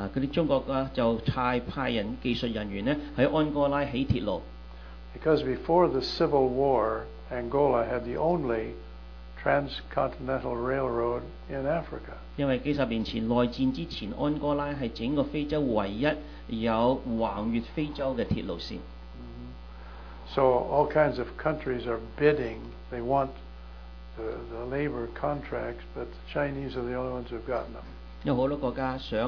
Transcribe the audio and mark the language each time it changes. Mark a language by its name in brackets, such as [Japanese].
[Cantonese] 中國就派人技術人員咧喺安哥拉起鐵路。 [English] Because before the Civil War, Angola had the only transcontinental railroad in Africa. [Cantonese] 因為幾十年前內戰之前，安哥拉係整個非洲唯一有橫越非洲嘅鐵路線。 [English] So all kinds of countries are bidding; they want the labor contracts, but the Chinese are the only ones who've gotten them.